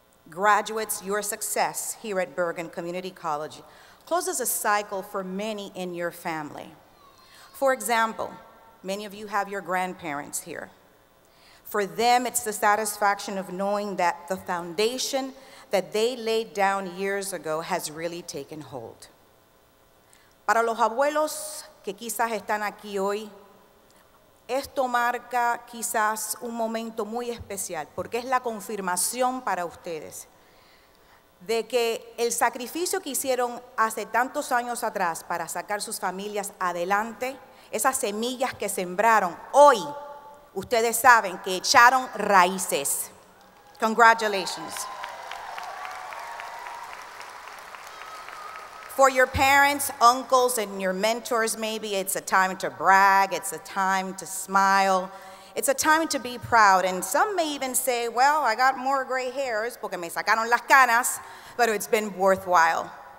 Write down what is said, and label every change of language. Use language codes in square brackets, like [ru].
[en] Graduates, your success here at Bergen Community College closes a cycle for many in your family. For example, many of you have your grandparents here. For them, it's the satisfaction of knowing that the foundation that they laid down years ago has really taken hold. [es] Para los abuelos que quizás están aquí hoy, esto marca quizás un momento muy especial, porque es la confirmación para ustedes de que el sacrificio que hicieron hace tantos años atrás para sacar sus familias adelante, esas semillas que sembraron hoy, ustedes saben que echaron raíces. [en] Congratulations. For your parents, uncles, and your mentors, maybe it's a time to brag, it's a time to smile, it's a time to be proud. And some may even say, "Well, I got more gray hairs [es] porque me sacaron las canas," [en] but it's been worthwhile.